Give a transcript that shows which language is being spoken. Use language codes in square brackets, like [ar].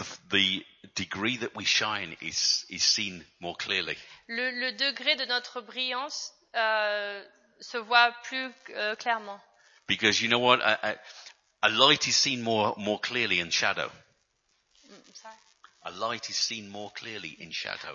[en] The degree that we shine is seen more clearly. [fr] Le degré de notre brillance se voit plus clairement. [en] Because you know what, a light is seen more clearly in shadow. A light is seen more clearly in shadow.